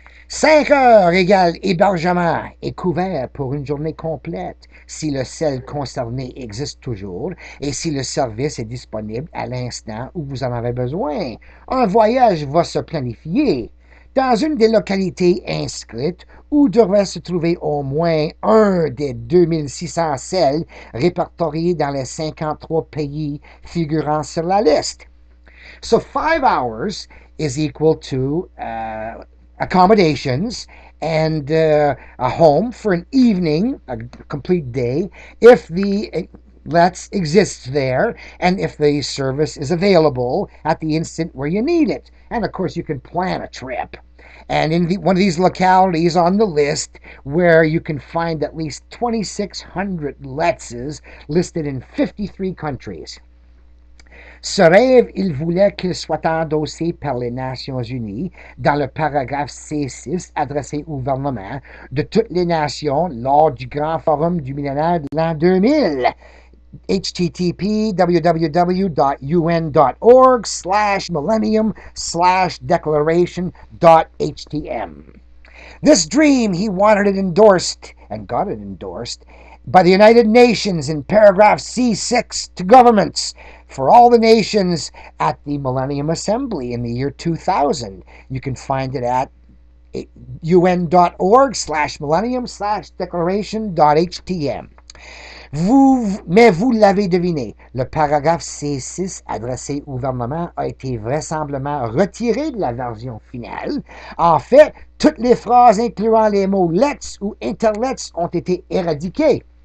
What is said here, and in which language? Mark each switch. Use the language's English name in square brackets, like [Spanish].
[French] 5 heures égale hébergement et couvert pour une journée complète, si le SEL concerné existe toujours et si le service est disponible à l'instant où vous en avez besoin. Un voyage va se planifier dans une des localités inscrites où devrait se trouver au moins un des 2600 SEL répertoriés dans les 53 pays figurant sur la liste. [English] So 5 hours is equal to accommodations and a home for an evening, a complete day, if the let's exist there and if the service is available at the instant where you need it. And of course you can plan a trip. And in one of these localities on the list where you can find at least 2,600 letses listed in 53 countries. [French] Ce rêve, il voulait qu'il soit endossé par les Nations Unies dans le paragraphe C6 adressé au gouvernement de toutes les nations lors du Grand Forum du millénaire de l'an 2000. [English] http://www.un.org/millennium/declaration.htm. This dream, he wanted it endorsed, and got it endorsed, by the United Nations in paragraph C6 to governments for all the nations at the Millennium Assembly in the year 2000. You can find it at un.org/millennium/declaration.htm. [French] Mais vous l'avez deviné, le paragraphe C6 adressé au gouvernement a été vraisemblablement retiré de la version finale. En fait, toutes les phrases incluant les mots « let's » ou « inter-let's » ont été éradiquées.